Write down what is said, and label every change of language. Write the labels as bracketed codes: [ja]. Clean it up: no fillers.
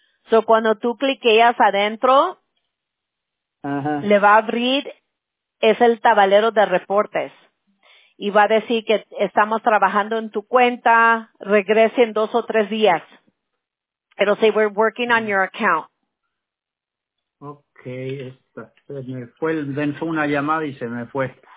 [es] So, cuando tú cliqueas adentro, ajá, le va a abrir, es el tablero de reportes. Y va a decir que estamos trabajando en tu cuenta, regrese en 2 o 3 días. [en] It'll say we're working on your account. [es] Okay, esta, se me fue, dentro una llamada y se me fue.